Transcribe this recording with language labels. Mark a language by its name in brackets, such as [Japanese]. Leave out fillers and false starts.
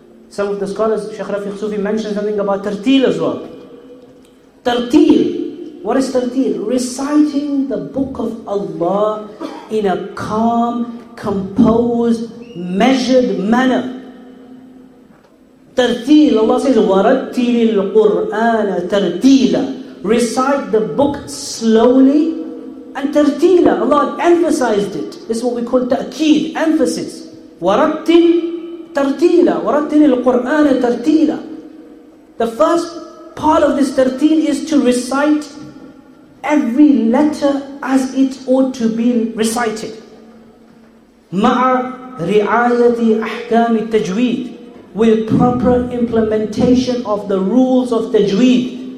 [English] Some of the scholars, Shaykh Rafiq Sufi, mentioned something about tartil as well. Tartil. What is tartil? Reciting the Book of Allah in a calm, composed, measured manner. Tartil. Allah says, [Arabic] وَرَتِّلِ الْقُرْآنَ تَرْتِيلًا. [English] Recite the book slowly and tartila. Allah emphasized it. This is what we call ta'keed, emphasis. [Arabic] وَرَتِّلِ تَرْتِيلًا. وَرَتِّلِ الْقُرْآنَ تَرْتِيلًا. [English] The first part of this tartil is to recite every letter as it ought to be recited. [Arabic] Ma'a ri'ayati ahkam at-tajweed, [English] with proper implementation of the rules of tajweed.